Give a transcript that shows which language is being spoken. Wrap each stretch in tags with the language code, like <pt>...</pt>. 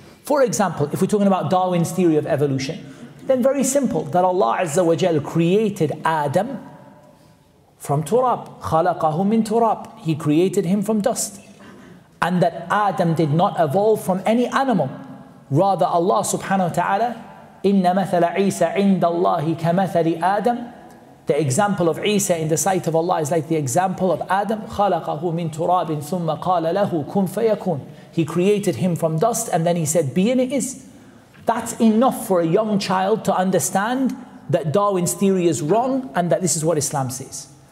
<en>For example, if we're talking about Darwin's theory of evolution, then very simple, that Allah Azza wa Jal created Adam from turab,</en> <ar>خَلَقَهُ مِن turab.</ar> <en>He created him from dust. And that Adam did not evolve from any animal.</en> <ar>Rather, Allah subhanahu wa ta'ala, إِنَّ مَثَلَ عِيسَى عِنْدَ اللَّهِ كَمَثَلِ آدَمْ</ar> <en>The example of Isa in the sight of Allah is like the example of Adam.</en> <ar>خَلَقَهُ مِن تُرَابٍ ثُمَّ قَالَ لَهُ كُن فَيَكُن.</ar> <en>He created him from dust and then he said, be and it is. That's enough for a young child to understand that Darwin's theory is wrong and that this is what Islam says.</en>